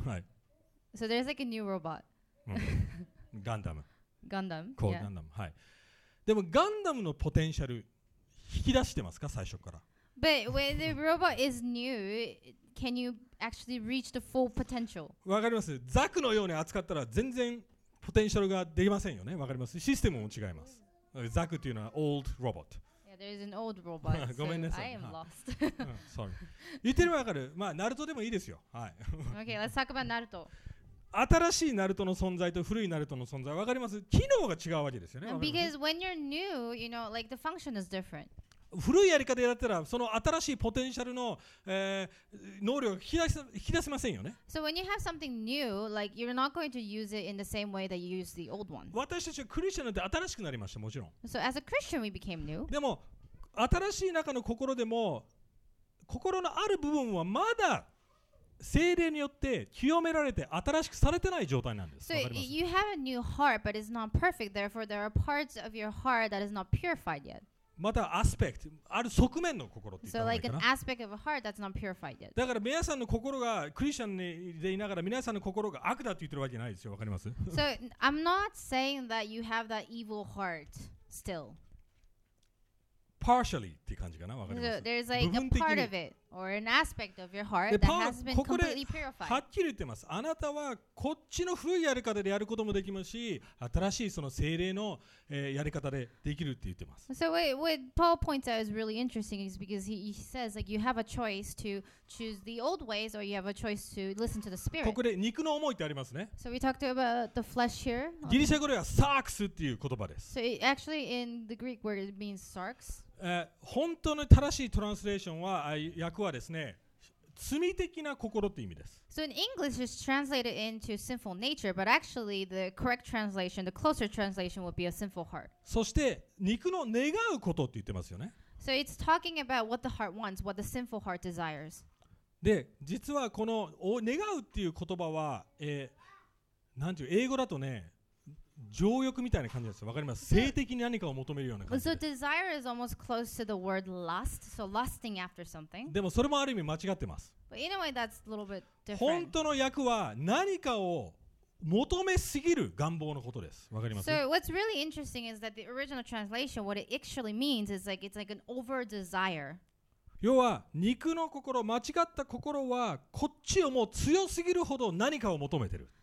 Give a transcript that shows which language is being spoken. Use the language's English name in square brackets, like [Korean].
[Japanese] はい。 [English] So there's like a new robot. Gundam. Gundam. Core Gundam. はい。 [Japanese] でもガンダムのポテンシャル引き出してますか最初から。 [English] But when the robot is new, can you actually reach the full potential? [Japanese] わかります。ザクのように扱ったら全然ポテンシャルが出ませんよね。わかります。システムも違います。ザクというのは [English] old robot。 There's an old robot. [Japanese] ごめんなさい。 [English] I am lost. Sorry. [Japanese] 言ってるのわかる。まあナルトでもいいですよ。はい。 [English] Okay, let's talk about Naruto. [Japanese] 新しいナルトの存在と古いナルトの存在わかります？機能が違うわけですよね。 [English] Because when you're new, you know, like the function is different. [Japanese] 古いやり方でやったらその新しいポテンシャルの、能力を引き出せませんよね。 [English] So when you have something new, like you're not going to use it in the same way that you use the old one. [Japanese] 私たちはクリスチャンなんて新しくなりました、もちろん。 [English] So as a Christian, we became new. [Japanese] でも新しい中の心でも心のある部分はまだ聖霊によって清められて新しくされてない状態なんです。 [English] So you have a new heart, but it's not perfect. Therefore, there are parts of your heart that is not purified yet. [Japanese] またアスペクト、ある側面の心って言ったらいいかな。 [English] So like an aspect of a heart that's not purified yet. [Japanese] だから皆さんの心がクリスチャンでいながら皆さんの心が悪だって言ってるわけないですよ。わかります？ [English] So I'm not saying that you have that evil heart still. [Japanese] Partially って感じかな。わかります。 [English] So there's like a part of it or an aspect of your heart that has been completely purified. [Japanese] はっきり言ってます。あなたはこっちの古いやり方でやることもできますし、新しいその聖霊のやり方でできるって言ってます。 [English] So what Paul points out is really interesting is because he says like you have a choice to choose the old ways or you have a choice to listen to the spirit. [Japanese] ここで肉の思いってありますね。 [English] So we talked about the flesh here. [Japanese] ギリシャ語ではサークスっていう言葉です。 [English] So actually in the Greek word it means sarx. [Japanese] 本当の正しいトランスレーションは訳はですね、罪的な心って意味です。 [English] So in English, it's translated into sinful nature, but actually the correct translation, the closer translation, would be a sinful heart. [Japanese] そして肉の願うことって言ってますよね。 So it's talking about what the heart wants, what the sinful heart desires. で、実はこの願うっていう言葉は、なんていう英語だとね、情欲みたいな感じです。わかります。性的に何かを求めるような感じです。 [English] So desire is almost close to the word lust. So lusting after something. [Japanese] でもそれもある意味間違ってます。 [English] But in a way, that's a little bit different. [Japanese] 本当の訳は何かを求めすぎる願望のことです。わかります。 [English] So what's really interesting is that the original translation, what it actually means is like it's like an over desire. [Japanese] 要は肉の心、間違った心はこっちをもう強すぎるほど何かを求めてる。